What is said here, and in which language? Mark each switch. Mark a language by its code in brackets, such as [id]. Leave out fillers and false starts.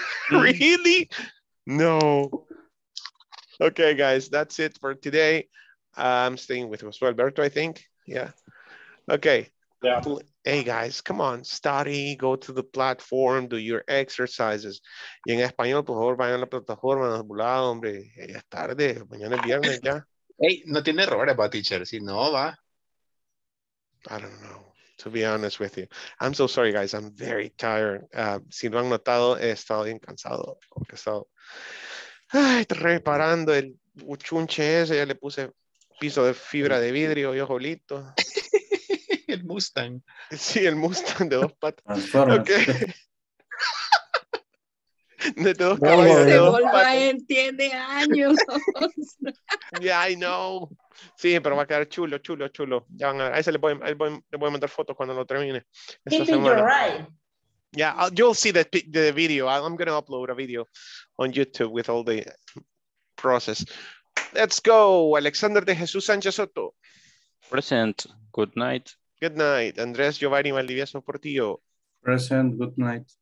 [en] Really? No. Okay, guys, that's it for today. I'm staying with Jose Alberto, I think. Yeah. Okay. Yeah. Hey, guys, come on. Study, go to the platform, do your exercises. [es] Y en español, por favor, vayan a la plataforma. Hombre, ya es tarde. Mañana es viernes, ya. Hey, no tiene errores, [en] but teacher. [es] Si no, va. [en] I don't know, to be honest with you. I'm so sorry, guys. I'm very tired. [es] Si lo han notado, he estado bien cansado. He estado reparando el chunche ese. Ya le puse piso de fibra de vidrio y ojolito. El Mustang. Sí, el Mustang de dos patas. Okay. De dos caballos. Se volva en 10 de años. [en] Yeah, I know. [es] Sí, pero va a quedar chulo, chulo, chulo. Ya van a ver. A ese le voy a mandar fotos cuando lo termine. [en] You'll see the video. I'm going to upload a video on YouTube with all the process. Let's go. Alexander de Jesús Sánchez Soto. Present. Good night. Good night. Andrés Giovanni Valdivieso Portillo. Present. Good night.